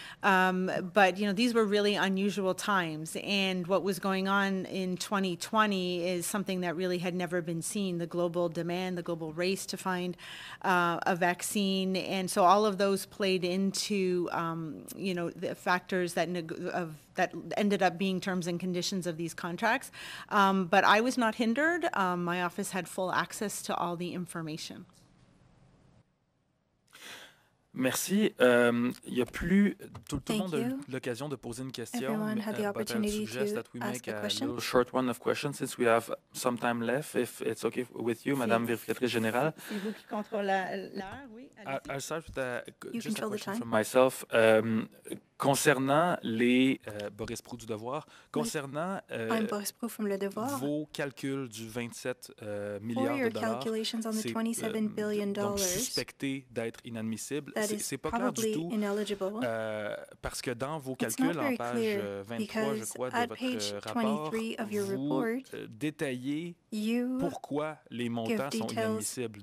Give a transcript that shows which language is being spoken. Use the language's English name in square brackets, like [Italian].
[English] But, you know, these were really unusual times. And what was going on in 2020 is something that really had never been seen, the global demand, the global race to find a vaccine. And so all of those played into, you know, the factors that that ended up being terms and conditions of these contracts. But I was not hindered. My office had full access to all the information. [French] Merci. Il y a plus tout le monde a l'occasion de poser une question. [English] Everyone had the opportunity to ask a question. A short one of questions since we have some time left, if it's okay with you, Madame Vérificatrice Générale. [French] C'est vous qui contrôlez l'heure, oui. [English] I'll start with just a question from myself. [French] Concernant les Boris Proulx du Devoir, concernant vos calculs du 27 milliards de dollars, c'est suspecté d'être inadmissible. C'est pas clair du tout, parce que dans vos calculs, en page 23, je crois, de votre rapport, vous détaillez pourquoi les montants sont inadmissibles.